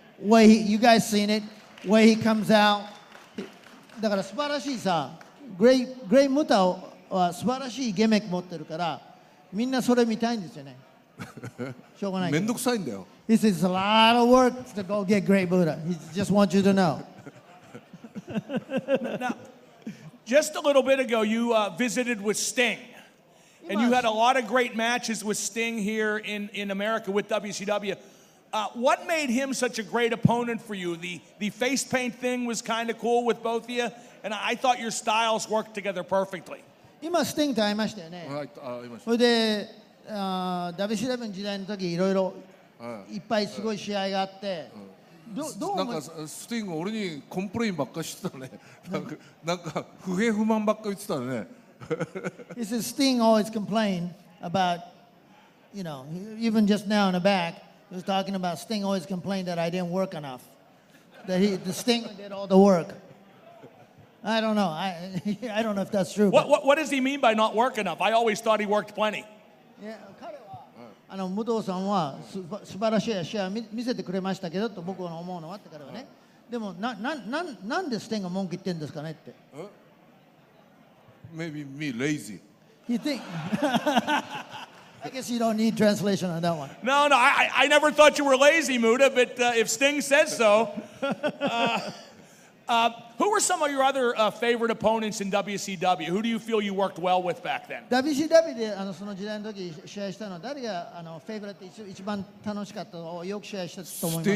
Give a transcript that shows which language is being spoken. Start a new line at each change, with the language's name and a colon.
English: Way he, you guys seen it, way he comes out.
Japanese: だから素晴らしいさ、great Muda は素晴らしいギミック持ってるから、みんなそれ見たいんですよね。しょうがない。めんどくさいんだよ。
English: He says it's a lot of work to go get great Muda. He just wants you to know. Now, just a little bit ago, you visited with Sting, and you had a lot of great matches with Sting here in America with WCW. What made him such a great opponent for you? The face paint thing was kind of cool with both of you, and I thought your styles worked together perfectly.
Japanese: 今 Sting と会いましたよね。はい、会いました。それで、WCW 時代の時いろいろいっぱいすごい試合があって、どう思う？なんか Sting が俺にコンプレインばっかりしてたね。なんか不平不満ばっかり言ってたね。
English: He says Sting always complained about, you know, even just now in the back. He was talking about Sting always complained that I didn't work enough. That the Sting did all the work. I don't know. I don't know if that's true. What does he mean by not work enough? I always thought he worked plenty. Yeah,
Japanese: 彼は、武藤さんは素晴らしい試合を見せてくれましたけどと僕は思うのはって彼はね。でも、なんで Sting が文句言ってんですかねって。
English: Maybe me lazy. You think? I guess you don't need translation on that one. No, I never thought you were lazy, Muda, but if Sting says so. Who were some of your other favorite opponents in WCW? Who do you feel you worked well with back then?
Japanese: WCW で、その時代の時、試合したの、誰が、フェイブリット、一番楽しかったよく試合したと思いますか?